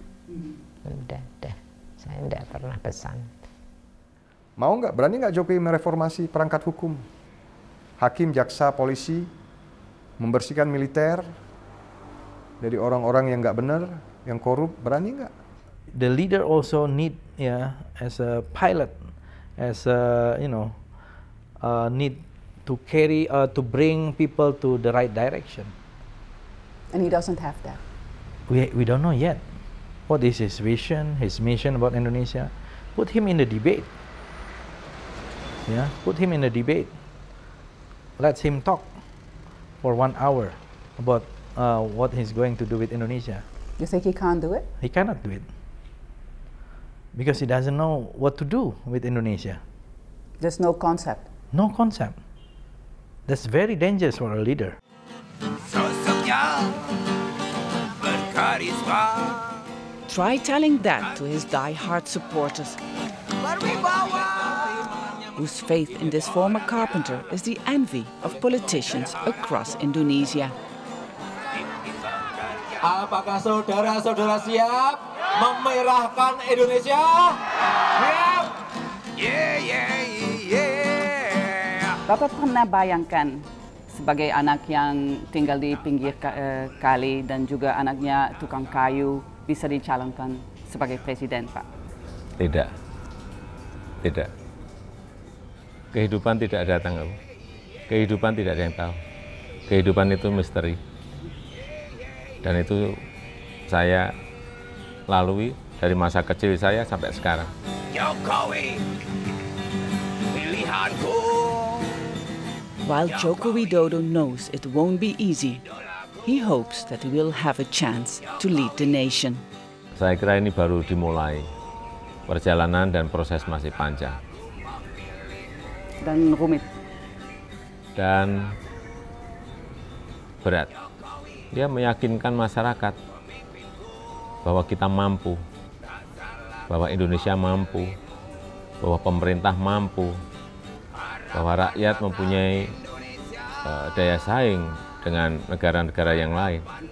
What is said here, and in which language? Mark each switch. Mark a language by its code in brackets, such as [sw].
[id] Enggak, saya enggak pernah pesan. Mau enggak, berani enggak Jokowi mereformasi perangkat hukum? Hakim, jaksa, polisi, membersihkan militer dari orang-orang yang nggak benar, yang korup, berani nggak? [en] The leader also need, as a pilot, as a, need to carry, to bring people to the right direction. And he doesn't have that. We don't know yet. What is his vision, his mission about Indonesia? Put him in the debate. Yeah, put him in the debate. Let him talk for 1 hour about what he's going to do with Indonesia. You think he can't do it? He cannot do it. Because he doesn't know what to do with Indonesia. There's no concept. No concept. That's very dangerous for a leader. Try telling that to his die-hard supporters. Whose faith in this former carpenter is the envy of politicians across Indonesia. [id] Apakah saudara-saudara siap memerahkan Indonesia? Siap! Yeah, [en] yeah, yeah. [id] Bapak pernah bayangkan sebagai anak yang tinggal di pinggir kali dan juga anaknya tukang kayu bisa dicalonkan sebagai presiden, Pak? Tidak. Tidak. Kehidupan tidak datang, Om. Kehidupan tidak ada yang tahu. Kehidupan itu misteri. Dan itu saya lalui dari masa kecil saya sampai sekarang. Jokowi, pilihanku. [en] While Joko Widodo knows it won't be easy, he hopes that he will have a chance to lead the nation. [id] Saya kira ini baru dimulai. Perjalanan dan proses masih panjang. Dan rumit. Dan berat. Dia meyakinkan masyarakat bahwa kita mampu, bahwa Indonesia mampu, bahwa pemerintah mampu, bahwa rakyat mempunyai daya saing dengan negara-negara yang lain.